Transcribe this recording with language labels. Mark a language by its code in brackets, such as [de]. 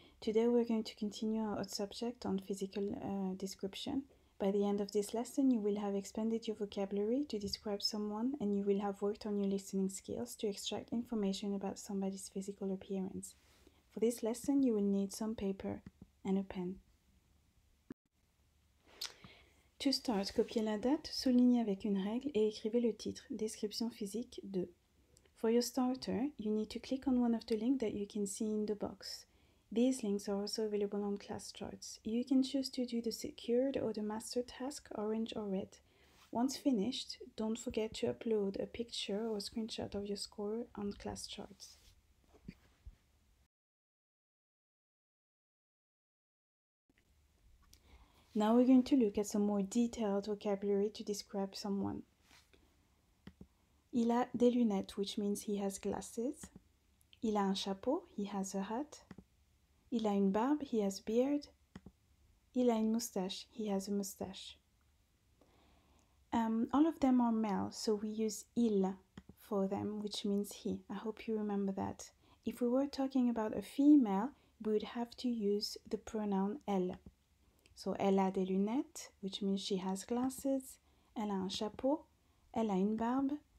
[en] Today we're going to continue our subject on physical description. By the end of this lesson, you will have expanded your vocabulary to describe someone and you will have worked on your listening skills to extract information about somebody's physical appearance. For this lesson, you will need some paper and a pen. To start, [fr] copiez la date, soulignez avec une règle et écrivez le titre « Description physique de ». [en] For your starter, you need to click on one of the links that you can see in the box. These links are also available on class charts. You can choose to do the secured or the master task, orange or red. Once finished, don't forget to upload a picture or screenshot of your score on class charts. Now we're going to look at some more detailed vocabulary to describe someone. [fr] Il a des lunettes, [en] which means he has glasses. [fr] Il a un chapeau, [en] he has a hat. [fr] Il a une barbe, [en] he has a beard. [fr] Il a une moustache, [en] he has a moustache. All of them are male, so we use il for them, which means he. I hope you remember that. If we were talking about a female, we would have to use the pronoun elle. So [fr] elle a des lunettes, [en] which means she has glasses. [fr] Elle a un chapeau, elle a une barbe.